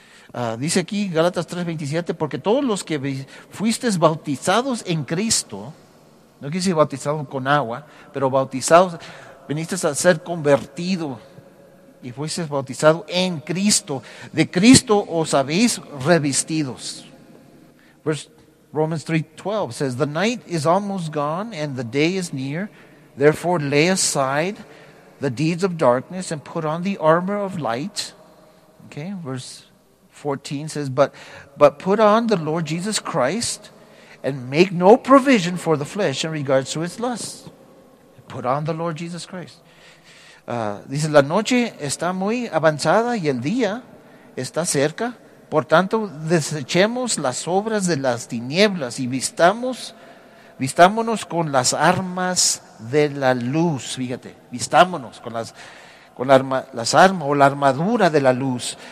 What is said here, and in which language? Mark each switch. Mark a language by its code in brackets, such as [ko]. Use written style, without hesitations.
[es] Dice aquí, Galatas 3:27, porque todos los que fuisteis bautizados en Cristo, no quise decir bautizados con agua, pero bautizados, viniste a ser convertido y fuiste bautizado en Cristo. De Cristo os habéis revestidos. [en] Romans 3:12 says, the night is almost gone and the day is near. Therefore lay aside the deeds of darkness and put on the armor of light. Okay, verse 14 says, but put on the Lord Jesus Christ and make no provision for the flesh in regards to its lusts. Put on the Lord Jesus Christ. [es] Dice, la noche está muy avanzada y el día está cerca. Por tanto, desechemos las obras de las tinieblas y vistámonos con las armas de la luz. Fíjate, vistámonos con las armas o la armadura de la luz.